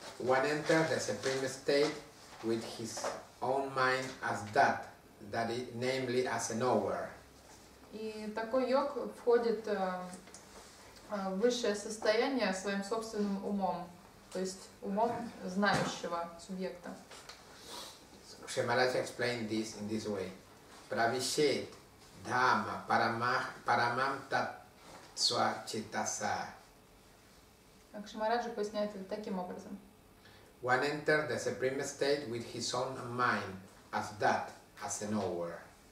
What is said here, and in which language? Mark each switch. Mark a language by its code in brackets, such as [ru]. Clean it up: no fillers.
[en] One enters the supreme state with his own mind as that, that is, namely as a knower. [ru] И такой йог входит в высшее состояние своим собственным умом. То есть умом знающего субъекта. [en] Шималач explained this in this way. [sa] Pravishet dhamma paramam tat sva chitasa. [ru] Как Шимараджа поясняет это таким образом. [en] One enters the supreme state with his own mind as that, as a knower.